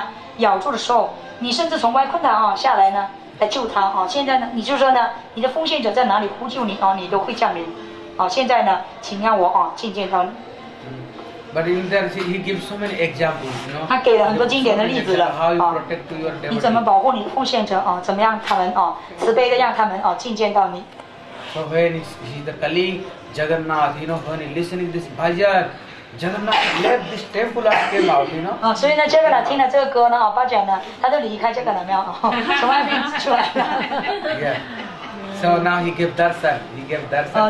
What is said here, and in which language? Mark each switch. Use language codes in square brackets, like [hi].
[zh] 他说当时呢，Jopati哦，还远在呢哈斯汀普尔，你在多卡哦，就两个城市离得很远了。但是他要被杜桑山呢，就把衣服脱的时候呢，脱掉的时候裸身了哦。那么你呢，从那多卡呢赶到了哈斯汀普尔来呢，拯救他了哦，给了他很多衣服啊。而另外一位呢，奉献者哦，就是呢这个嘎真者那个大象哦，被那个鳄鱼呢咬住的时候，你甚至从外困难哦下来呢。来救他啊！现在呢，你就说呢，你的奉献者在哪里呼救你啊？你都会降临。好，现在呢，请让我啊觐见他。 [en] But in that, he gives so many examples, you know. [zh] 他给了很多经典的例子了。 [en] How you protect to your devotees. [zh] 你怎么保护你奉献者，怎么样他们，慈悲的让他们，觐见到你。 [en] So when he's the Kali, Jagannath, you know, when he's listening to this bhajan, Jagannath left this temple and came out, you know. [zh] 所以呢，Jagannath听了这个歌呢，巴掌呢，他就离开这个了，没有，从外面出来了。 [en] Yeah. So now he gave darshan, he gave darshan.